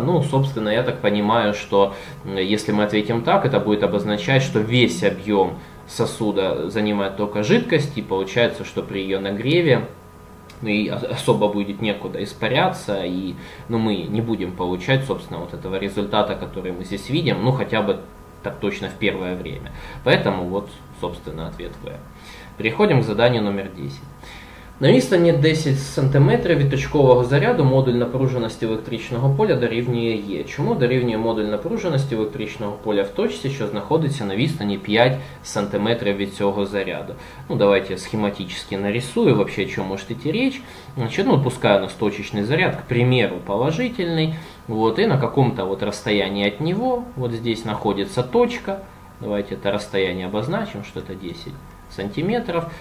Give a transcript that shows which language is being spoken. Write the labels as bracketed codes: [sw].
[ru] Ну, собственно, я так понимаю, что если мы ответим так, это будет обозначать, что весь объем сосуда занимает только жидкость, и получается, что при ее нагреве и особо будет некуда испаряться, и ну, мы не будем получать, собственно, вот этого результата, который мы здесь видим, ну, хотя бы так точно в первое время. Поэтому вот, собственно, ответ В. Переходим к заданию номер 10. [uk] На відстані 10 см від точкового заряду модуль напруженности электрического поля дорівнює Е. Чому дорівнює модуль напруженности електричного поля в точці, що знаходиться на відстані 5 см від цього заряду? [ru] Ну, давайте схематически нарисую вообще, о чем может идти речь. Значит, ну, пускай у нас точечный заряд, к примеру, положительный. Вот, и на каком-то вот расстоянии от него, вот здесь находится точка. Давайте это расстояние обозначим, что это 10 сантиметров.